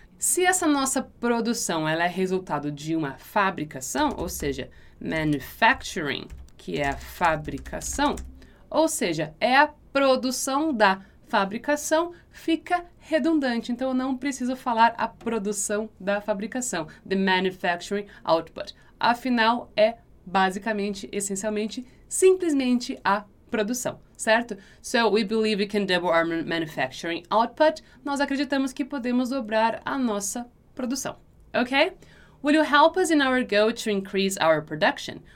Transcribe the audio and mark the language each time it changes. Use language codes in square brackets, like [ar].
[pt] Se essa nossa produção, ela é resultado de uma fabricação, ou seja, manufacturing, que é a fabricação, ou seja, é a produção da fabricação fica redundante. Então, eu não preciso falar a produção da fabricação, [en] the manufacturing output. [pt] Afinal, é basicamente, essencialmente, simplesmente a produção, certo? [en] So, we believe we can double our manufacturing output. [pt] Nós acreditamos que podemos dobrar a nossa produção, ok? [en] Will you help us in our goal to increase our production?